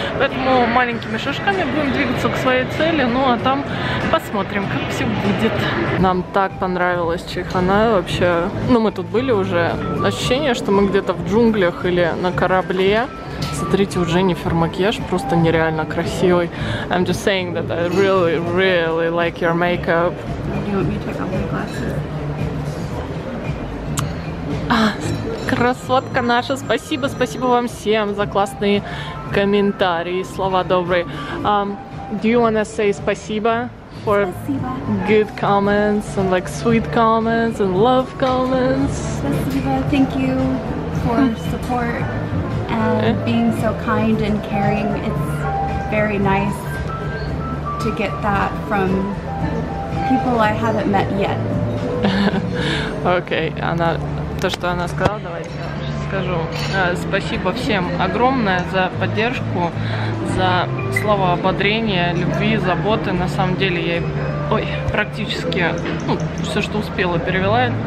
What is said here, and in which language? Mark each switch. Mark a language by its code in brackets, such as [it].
[ru] Поэтому маленькими шажками будем двигаться к своей цели, ну а там посмотрим, как все будет. Нам так понравилась чайхана вообще. Ну, мы тут были уже. Ощущение, что мы где-то в джунглях или на корабле. Смотрите, у Дженнифер макияж просто нереально красивый. [en] I'm just saying that I really, really like your makeup. You want me to check out my glasses? [ru] Красотка наша, спасибо, спасибо вам всем за классные комментарии, слова добрые. [en] Do you want to say [ru] спасибо [en] for good comments and like sweet comments and love comments? [ru] Спасибо, [en] thank you for support. Being so kind and caring, it's very nice to get that from people I haven't met yet. [ru] Okay, она то, что она сказала, давайте я скажу. Спасибо всем огромное за поддержку, за слова ободрения, любви, заботы. На самом деле я практически все, что успела, перевела.